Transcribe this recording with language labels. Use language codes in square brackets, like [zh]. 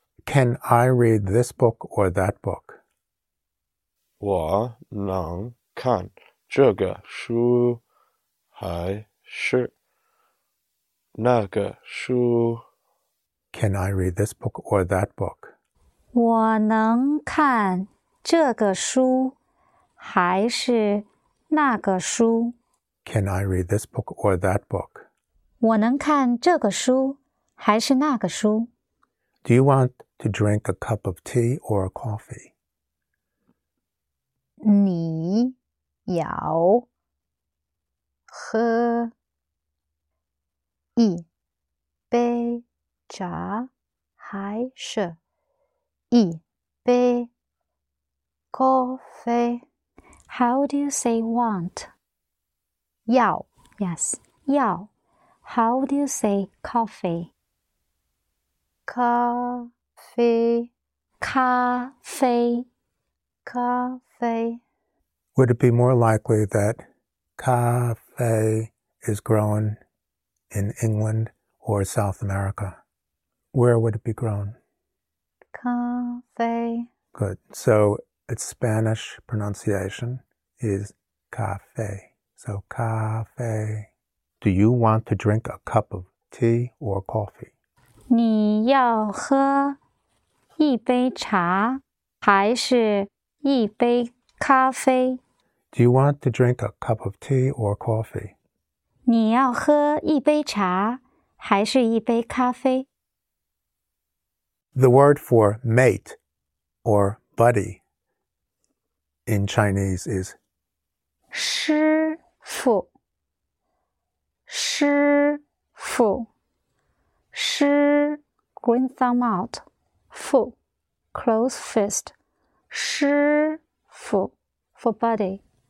[en] Can I read this book or that book? [zh] 我能看这个书还是。那个书 [en] Can I read this book or that book? [zh] 我能看这个书还是那个书 [en] Can I read this book or that book? [zh] 我能看这个书还是那个书 [en] Do you want to drink a cup of tea or a coffee? [zh] 你要喝一杯假还是一杯咖啡。 [en] How do you say want? 要 Yes, 要 How do you say coffee? [zh] 咖啡咖啡咖啡 [en] Would it be more likely that 咖啡 is grown in England or South America? Where would it be grown? [zh] 咖啡 [en] Good. So its Spanish pronunciation is 咖啡 So 咖啡 Do you want to drink a cup of tea or coffee? [zh] 你要喝一杯茶还是一杯咖啡? [en] Do you want to drink a cup of tea or coffee? [zh] 你要喝一杯茶还是一杯咖啡? [en] The word for mate or buddy in Chinese is [zh] 师父师父师 [en] green thumb out 父 close fist 师父 for buddy